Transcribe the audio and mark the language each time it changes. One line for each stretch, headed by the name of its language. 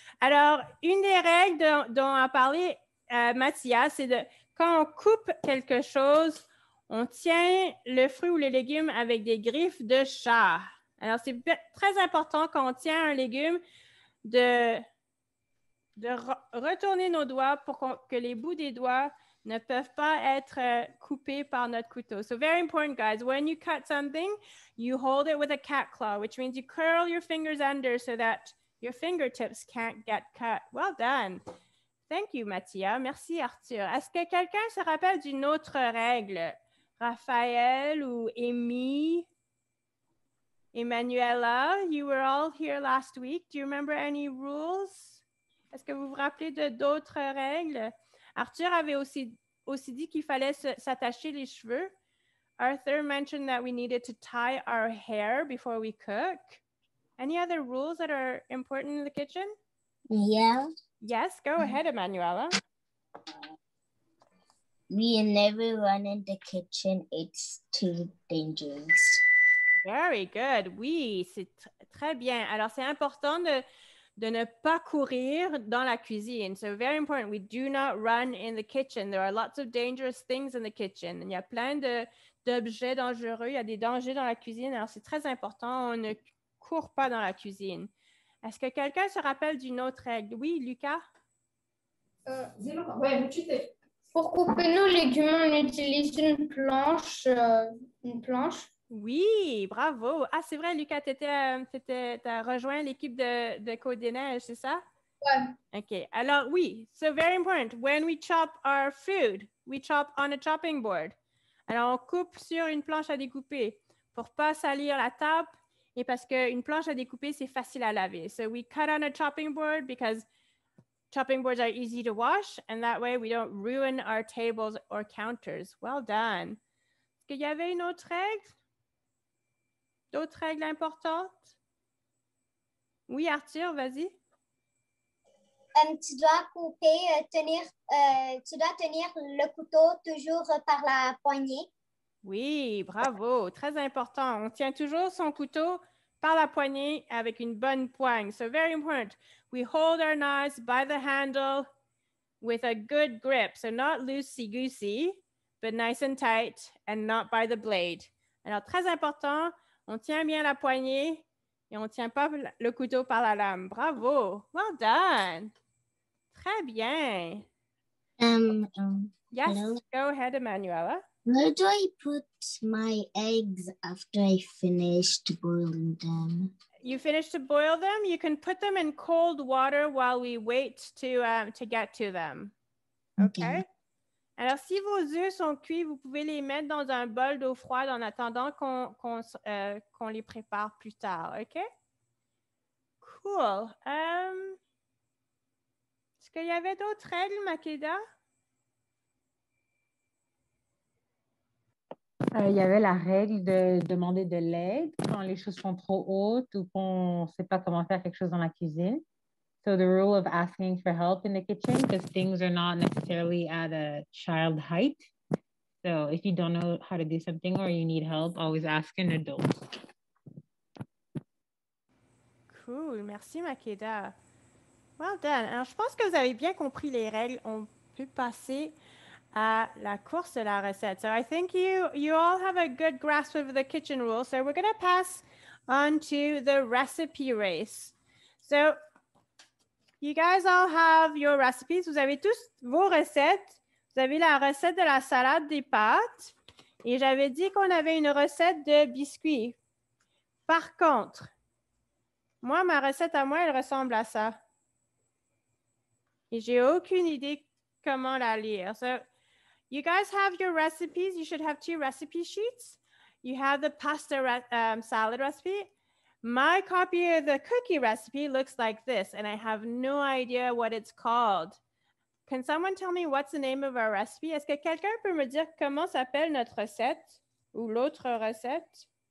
French: Alors, une des règles dont a parlé Mattia, c'est de quand on coupe quelque chose, on tient le fruit ou le légume avec des griffes de chat. Alors, c'est très important quand on tient un légume de retourner nos doigts pour que les bouts des doigts ne peuvent pas être coupés par notre couteau.
English: So very important, guys. When you cut something, you hold it with a cat claw, which means you curl your fingers under so that your fingertips can't get cut. Well done. Thank you, Mattia.
French: Merci, Arthur. Est-ce que quelqu'un se rappelle d'une autre règle? Raphaël ou Amy?
English: Emanuela, you were all here last week. Do you remember any rules?
French: Est-ce que vous vous rappelez de d'autres règles? Arthur avait aussi dit qu'il fallait s'attacher les cheveux.
English: Arthur mentioned that we needed to tie our hair before we cook. Any other rules that are important in the kitchen? Yeah. Yes, go ahead, Emanuela. We never run in the kitchen. It's too dangerous. Very good.
French: Oui, c'est très bien. Alors, c'est important de ne pas courir dans la cuisine.
English: So very important, we do not run in the kitchen. There are lots of dangerous things in the kitchen.
French: Il y a plein d'objets dangereux, il y a des dangers dans la cuisine. Alors, c'est très important, on ne court pas dans la cuisine. Est-ce que quelqu'un se rappelle d'une autre règle? Oui, Lucas? Pour couper nos légumes, on utilise une planche. Oui, bravo. Ah, c'est vrai, Lucas, t'as rejoint l'équipe de Côte des Neiges, c'est ça? Ouais.
English: OK.
French: Alors, oui,
English: so very important. When we chop our food, we chop on a chopping board.
French: Alors, on coupe sur une planche à découper pour pas salir la table et parce qu'une planche à découper, c'est facile à laver.
English: So we cut on a chopping board because Chopping boards are easy to wash, and that way we don't ruin our tables or counters. Well done.
French: Est-ce qu'il y avait une autre règle? D'autres règles importantes? Oui, Arthur, vas-y. Tu dois couper, tu dois tenir le couteau toujours par la poignée. Oui, bravo, très important. On tient toujours son couteau par la poignée avec une bonne poigne.
English: So very important. We hold our knives by the handle with a good grip. So not loosey-goosey, but nice and tight and not by the blade.
French: Alors, très important, on tient bien la poignée et on ne tient pas le couteau par la lame. Bravo,
English: well done.
French: Très bien.
English: Yes, hello. Go ahead, Emanuela. Where do I put my eggs after I finished boiling them? You finished to boil them? You can put them in cold water while we wait to get to them. Okay.
French: Alors, si vos œufs sont cuits, vous pouvez les mettre dans un bol d'eau froide en attendant qu'on les prépare plus tard. Okay? Cool. Est-ce qu'il y avait d'autres règles, Makeda? Il y avait la règle de demander de l'aide quand les choses sont trop hautes ou qu'on ne sait pas comment faire quelque chose dans la cuisine.
English: So the rule of asking for help in the kitchen because things are not necessarily at a child height. So if you don't know how to do something or you need help, always ask an adult. Cool, merci Makeda. Well done.
French: Alors, je pense que vous avez bien compris les règles. On peut passer à la course de la recette.
English: So I think you all have a good grasp of the kitchen rule. So we're going to pass on to the recipe race. So you guys all have your recipes.
French: Vous avez tous vos recettes. Vous avez la recette de la salade des pâtes. Et j'avais dit qu'on avait une recette de biscuits. Par contre, moi, ma recette à moi, elle ressemble à ça. Et j'ai aucune idée comment la lire.
English: So, you guys have your recipes. You should have two recipe sheets. You have the pasta salad recipe. My copy of the cookie recipe looks like this, and I have no idea what it's called. Can someone tell me what's the name of our recipe?
French: Est-ce que quelqu'un peut me dire comment s'appelle notre recette ou l'autre recette?